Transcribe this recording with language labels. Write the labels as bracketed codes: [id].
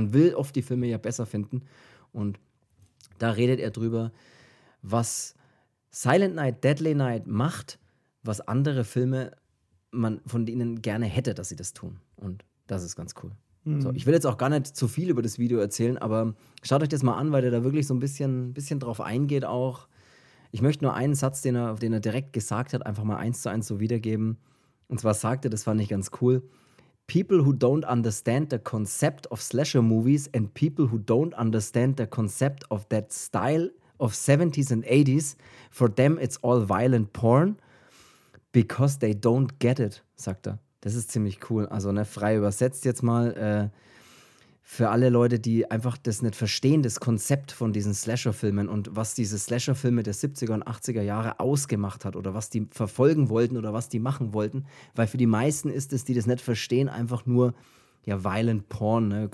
[de] Man will oft die Filme ja besser finden. Und da redet er drüber, was Silent Night, Deadly Night macht, was andere Filme man von denen gerne hätte, dass sie das tun. Und das ist ganz cool. So, ich will jetzt auch gar nicht zu viel über das Video erzählen, aber schaut euch das mal an, weil der da wirklich so ein bisschen drauf eingeht auch. Ich möchte nur einen Satz, den er direkt gesagt hat, einfach mal 1:1 so wiedergeben. Und zwar sagte, das fand ich ganz cool, [en] "People who don't understand the concept of slasher movies and people who don't understand the concept of that style of 70s and 80s, for them it's all violent porn because they don't get it," [de] sagt er. Das ist ziemlich cool. Also ne, frei übersetzt jetzt mal. Für alle Leute, die einfach das nicht verstehen, das Konzept von diesen Slasher-Filmen und was diese Slasher-Filme der 70er und 80er Jahre ausgemacht hat oder was die verfolgen wollten oder was die machen wollten, weil für die meisten ist es, die das nicht verstehen, einfach nur, ja, violent porn, ne?